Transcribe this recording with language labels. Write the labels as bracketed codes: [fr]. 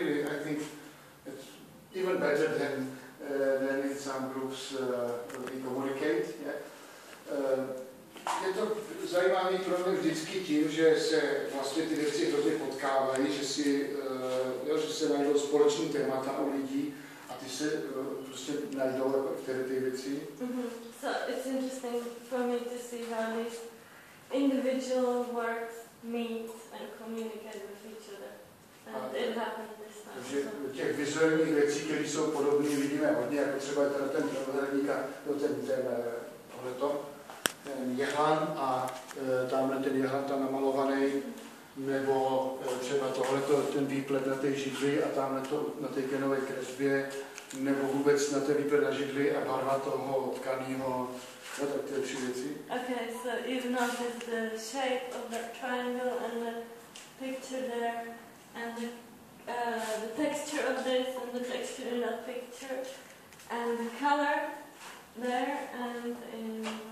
[en] I think it's even better than in some groups we communicate. [cs] Je to zajímavý pro mě vždycky tím, že se vlastně ty věci hrozně potkávají, že si že se najdou společný témata u lidí a ty se prostě najdou jako které ty věci. [en] So it's interesting for me to see how these individual works meet and communicate with each other. And it happened this time. [cs] Takže těch vizuálních věcí, které jsou podobné, vidíme hodně, jako třeba ten pohledník a ten tohleto. Jehlan a tamhle ten jehlan tam namalovaný, nebo třeba tohle ten výplet na té židli a tamhle to na té genové kresbě, nebo vůbec na té výplet na židli a barva toho tkaného, no, tak ty tři věci. [en] Okay, so you've noticed the shape of that triangle and the picture there and the texture of this and the texture in that picture and the color there and in